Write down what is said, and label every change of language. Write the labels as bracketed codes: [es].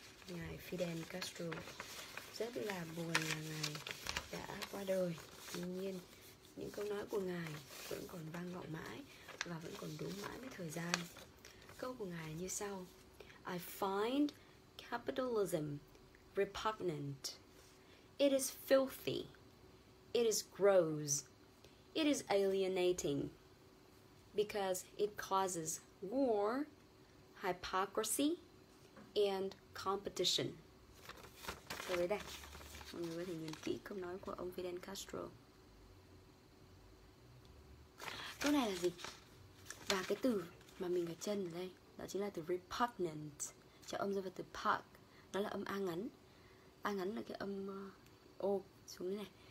[vi] Ngài Fidel Castro rất là buồn là ngài đã qua đời. Tuy nhiên những câu nói của ngài vẫn còn vang vọng mãi và vẫn còn đúng mãi với thời gian. Câu của ngài như sau: [en] I find capitalism repugnant. It is filthy. It is gross. It is alienating because it causes war, hypocrisy and competition. [vi] Rồi đây, đây. Mọi người có thể nhìn kỹ câu nói của ông Fidel Castro. Câu này là gì? Và cái từ mà mình ở chân ở đây, đó chính là từ repugnant. Cho âm rơi vào từ pug, đó là âm A ngắn. A ngắn là cái âm O xuống thế này.